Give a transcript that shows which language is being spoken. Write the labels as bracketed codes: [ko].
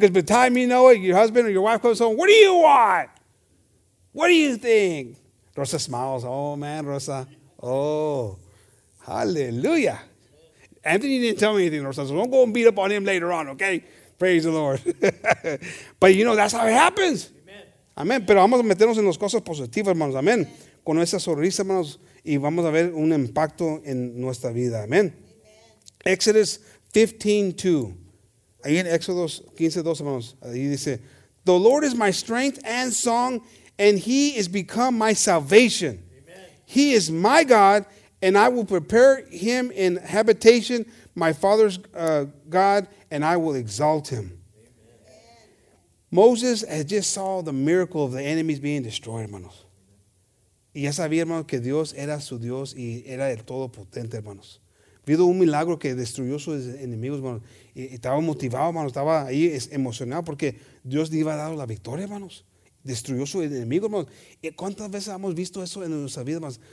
[en] Because by the time you know it, your husband or your wife comes home, what do you want? What do you think? Rosa smiles. Oh, man, Rosa. Oh, hallelujah. Anthony didn't tell me anything, Rosa. So don't go and beat up on him later on, okay? Praise the Lord. But, you know, that's how it happens. Amen. [es] Pero vamos a meternos en las cosas positivas, hermanos. Amen. Con esa sonrisa, hermanos. Y vamos a ver un impacto en nuestra vida. [en] Amén. Amen. Exodus 15:2. [es] Ahí en Éxodo 15:2, hermanos. Ahí dice, [en] the Lord is my strength and song, and he is become my salvation. Amen. He is my God, and I will prepare him in habitation, my father's God, and I will exalt him. Amen. Moses had just saw the miracle of the enemies being destroyed, hermanos. [es] Y ya sabía, hermanos, que Dios era su Dios y era el Todopotente, hermanos. Vio un milagro que destruyó sus enemigos, hermanos. Y estaba motivado, hermanos. Estaba ahí emocionado porque Dios le iba a dar la victoria, hermanos. Destruyó su enemigo, hermanos. ¿Y cuántas veces hemos visto eso en nuestra vida, hermanos?